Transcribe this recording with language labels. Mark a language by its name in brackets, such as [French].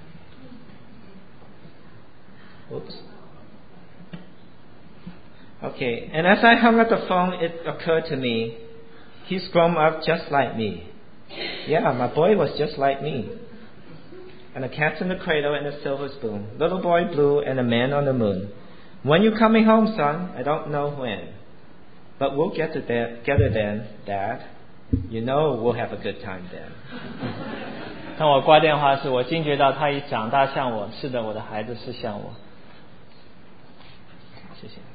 [Chinese] 我已退休，我儿子已搬走。那天我打电话给他说，我想见你。他说，爸，我若有时间我也想。可你知我新工作真忙，孩子没有感冒。但与你谈话真好，与你谈话真好。Oops. [English] Okay, and as I hung up the phone, it occurred to me, he's grown up just like me. Yeah, my boy was just like me. And the cat's in the cradle and the silver spoon, little boy blue and the man on the moon. When you coming home, son? I don't know when. But we'll get together then, Dad. You know we'll have a good time then. [Chinese] 当我挂电话时，我惊觉到他已长大像我。是的，我的孩子是像我。谢谢。